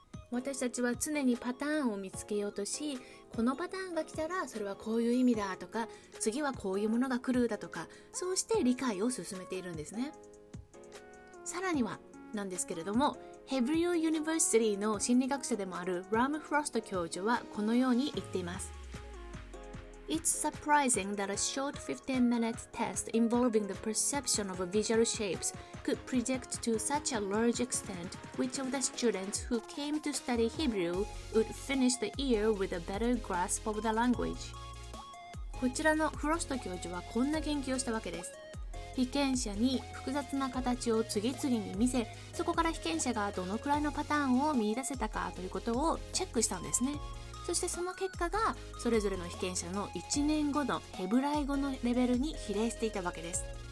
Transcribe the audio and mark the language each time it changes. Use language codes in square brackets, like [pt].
[ja] 私たちは常にパターンを見つけようとし、このパターンが来たらそれはこういう意味だとか、次はこういうものが来るだとか、そうして理解を進めているんですね。さらにはなんですけれども、ヘブリオユニバーシティの心理学者でもあるラム・フロスト教授はこのように言っています。 [en] It's surprising that a short 15-minute test involving the perception of visual shapes could project to such a large extent which of the students who came to study Hebrew would finish the year with a better grasp of the language. [ja] こちらのフロスト教授はこんな研究をしたわけです。被験者に複雑な形を次々に見せ、そこから被験者がどのくらいのパターンを見出せたかということをチェックしたんですね。そしてその結果が、それぞれの被験者の1年後のヘブライ語のレベルに比例していたわけです。